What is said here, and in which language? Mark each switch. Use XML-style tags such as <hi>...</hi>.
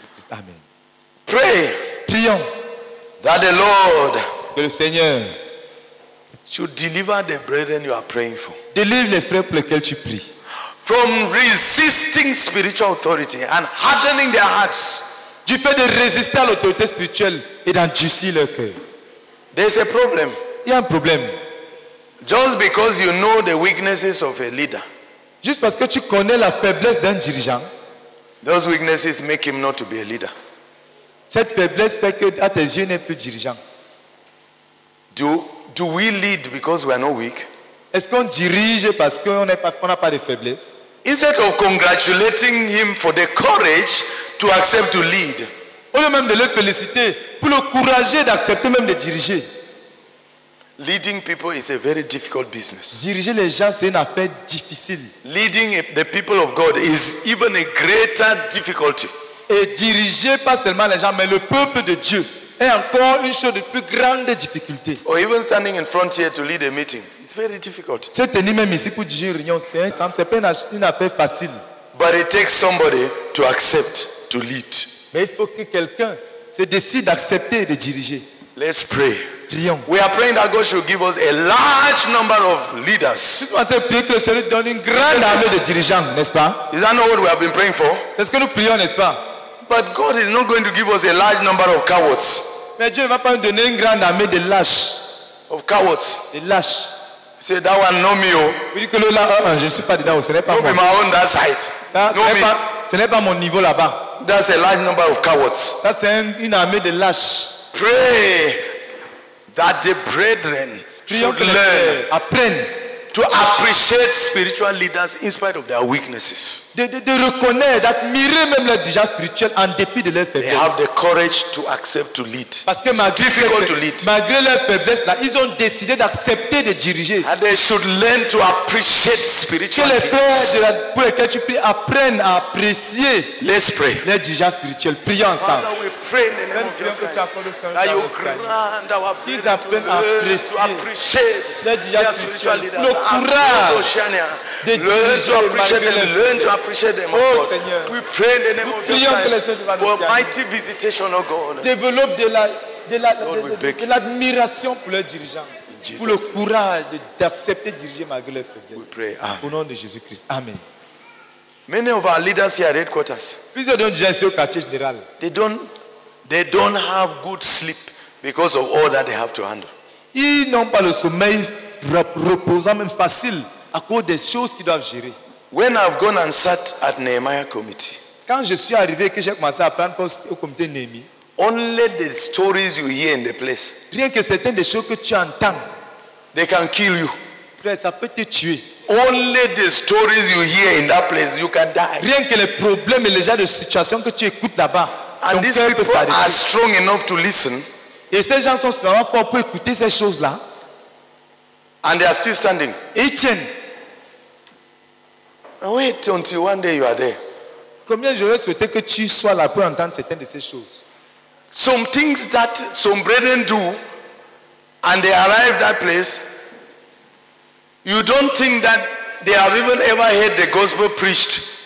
<en>Amen. Pray,</en> <fr>prions,</fr> <en>that the Lord,</en> <fr>que le Seigneur,</fr> <en>should deliver the brethren you are praying for.</en> <fr>Délivre les frères pour lesquels tu pries.</fr> <en>From resisting spiritual authority and hardening their hearts.</en> <fr>Du fait de résister à l'autorité spirituelle et d'endurcir leur cœur.</fr> <en>There's a problem.</en> <fr>Il y a un problème.</fr> <en>Just because you know the weaknesses of a leader.</en> <fr>Juste parce que tu connais la faiblesse d'un dirigeant.</fr> <en>Those weaknesses make him not to be a leader.</en> <fr>Cette faiblesse fait que à tes yeux n'est plus dirigeant.</fr> <en>Do we lead because we are not weak?</en> <fr>Est-ce qu'on dirige parce qu'on n'a pas de faiblesse?</fr> <en>Instead of congratulating him for the courage to accept to lead.</en> <fr>Au lieu même de le féliciter pour le courage d'accepter même de diriger.</fr> <en>Leading people is a very difficult business.</en> <fr>Diriger les gens, c'est une affaire difficile.</fr> <en>Leading the people of God is even a greater difficulty.</en> <fr>Et diriger pas seulement les gens, mais le peuple de Dieu est encore une chose de plus grande difficulté.</fr> <en>Or even standing in front here to lead a meeting, it's very difficult.</en> <fr>Se tenir même ici pour diriger une réunion, c'est pas une affaire facile.</fr> <en>But it takes somebody to accept to lead.</en> <fr>Mais il faut que quelqu'un se décide d'accepter de diriger.</fr> <en>Let's pray.</en> <fr>Prions.</fr> <en>We are praying that God should give us a large number of leaders. Is that not what we have been praying for?</en> <fr>C'est ce que nous prions, n'est-ce pas?</fr> <en>But God is not going to give us a large number of cowards.</en> <fr>Mais Dieu ne va pas nous donner une grande armée de lâches.</fr> <en>Of cowards.</en> <fr>De lâches.</fr> <en>Say that one, not me, oh.</en> <fr>Vous dites que là, je ne suis pas dedans. Ce n'est pas moi.</fr> <en>My own that side.</en> <fr>Ça, no ce, n'est pas, ce n'est pas mon niveau là-bas.</fr> <en>That's a large number of cowards.</en> <fr>Ça, c'est une armée de lâches.</fr> <en>Pray that the brethren should learn to appreciate spiritual leaders in spite of their weaknesses.</en> <fr>De reconnaître, d'admirer même les dirigeants spirituels en dépit de leurs faiblesses.</fr> <en>They have the courage to accept to lead.</en> <fr>Parce que</fr> <en>it's difficult to lead.</en> <fr>Malgré leurs faiblesses, là, ils ont décidé d'accepter de diriger.</fr> <en>And they should learn to appreciate spiritual leaders.</en> <fr>Que les frères pour lesquels tu pries apprennent à apprécier.</fr> <en>Let's pray.</en> <fr>Les dirigeants spirituels, prions ensemble.</fr> <en>Father, we pray in the name of Jesus Christ. That you grant our brethren to</en> <fr>apprécier</fr> <en>to appreciate</en> <fr>les dirigeants spirituels. Le courage de diriger malgré leurs faiblesses.</fr> <en>Appreciate them, oh God.</en> <fr>Seigneur.</fr> <en>We pray in the name</en> <fr>nous</fr> <en>of Jesus Christ for mighty visitation, oh God. Develop</en> <fr>de l'admiration pour leurs dirigeants, pour le courage d'accepter de diriger malgré leurs faiblesses.</fr> <en>We pray. Amen.</en> <fr>Au nom de Jésus Christ. Amen.</fr> <en>Many of our leaders here at headquarters,</en> <fr>plusieurs d'entre eux ici au quartier général,</fr> <en>they don't have good sleep because of all that they have to handle.</en> <fr>Ils n'ont pas le sommeil reposant même facile à cause des choses qu'ils doivent gérer.</fr> <en>When I've gone and sat at Nehemiah committee,</en> <fr>quand je suis arrivé que j'ai commencé à prendre poste au comité Nehemi,</fr> <en>only the stories you hear in the place,</en> <fr>rien que certaines des choses que tu entends,</fr> <en>they can kill you.</en> <fr>Frère, ça peut te tuer.</fr> <en>Only the stories you hear in that place, you can die.</en> <fr>Rien que les problèmes et les genres de situations que tu écoutes là-bas,</fr> <en>and these people are strong enough to listen,</en> <fr>et ces gens sont suffisamment forts pour écouter ces choses-là,</fr> <en>and they are still standing.</en> <fr>Ils tiennent.</fr> <en>Wait until one day you are there.</en> <fr>Combien j'aurais souhaité que tu sois là pour entendre certaines de ces choses.</fr> <en>Some things that some brethren do, and they arrive at that place, you don't think that they have even ever heard the gospel preached.</en>